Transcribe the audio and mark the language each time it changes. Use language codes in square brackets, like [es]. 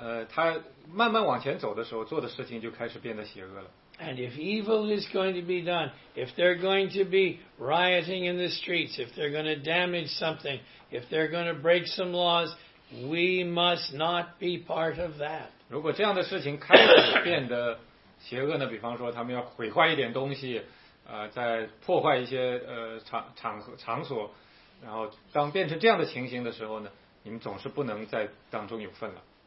[zh] 他慢慢往前走的时候，做的事情就开始变得邪恶了。 [en] And if evil is going to be done, if they're going to be rioting in the streets, if they're going to damage something, if they're going to break some laws, we must not be part of that. [zh] 如果这样的事情开始变得邪恶呢？比方说他们要毁坏一点东西，在破坏一些场所，然后当变成这样的情形的时候呢，你们总是不能在当中有份了。